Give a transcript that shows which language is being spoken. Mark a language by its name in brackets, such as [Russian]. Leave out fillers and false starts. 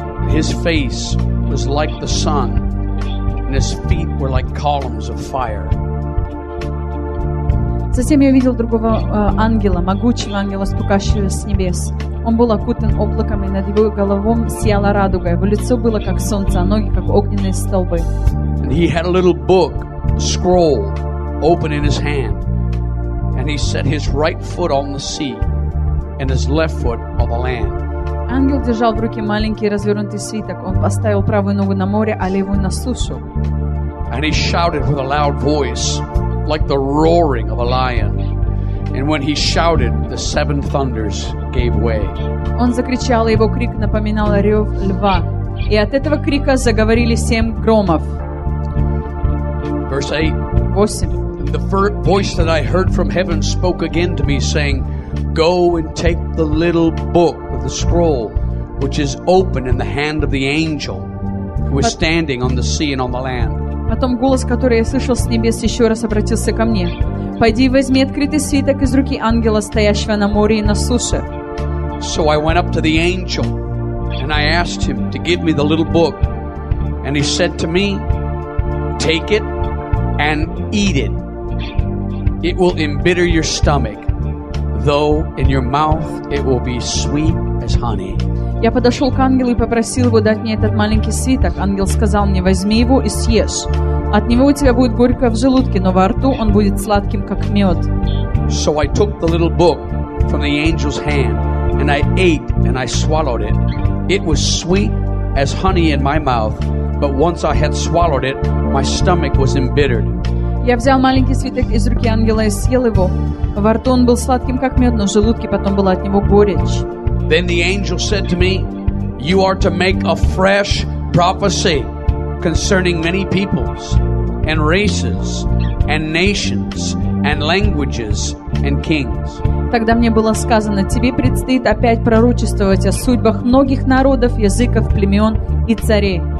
[English] His face was like the sun, and his feet were like columns of fire. [Russian] Затем я видел другого ангела, могучего ангела, стукающего с небес. Он был окутан облаком, и над его головой сияла радуга. Его лицо было как солнце, а ноги как огненные столбы. [English] And he had a little book. Scroll open in his hand, and he set his right foot on the sea, and his left foot on the land. [Russian] Ангел держал в руке маленький развернутый свиток. Он поставил правую ногу на море, а левую на сушу. [English] And he shouted with a loud voice, like the roaring of a lion. And when he shouted, the seven thunders gave way. [Russian] Он закричал, и его крик напоминал рев льва. И от этого крика заговорили семь громов. [English] Verse 8. And the voice that I heard from heaven spoke again to me, saying, Go and take the little book with the scroll, which is open in the hand of the angel, who is standing on the sea and on the land. [Russian] Потом голос, который я слышал с небес, еще раз обратился ко мне. Пойди и возьми открытый свиток из руки ангела, стоящего на море и на суше. [English] So I went up to the angel, and I asked him to give me the little book. And he said to me, Take it, And eat it. It will embitter your stomach, though in your mouth it will be sweet as honey. [Russian] Я подошел к ангелу и попросил его дать мне этот маленький свиток. Ангел сказал мне: возьми его и съешь. От него у тебя будет горько в желудке, но во рту он будет сладким, как мед. [English] So I took the little book from the angel's hand, and I ate and I swallowed it. It was sweet as honey in my mouth, but once I had swallowed it. My stomach was embittered. [Russian] Я взял маленький свиток из руки ангела и съел его. Во рту он был сладким, как мед, но в желудке потом была от него горечь. [English] Then the angel said to me, You are to make a fresh prophecy concerning many peoples and races and nations and languages and kings. [Russian] Тогда мне было сказано: тебе предстоит опять пророчествовать о судьбах многих народов, языков, племен и царей.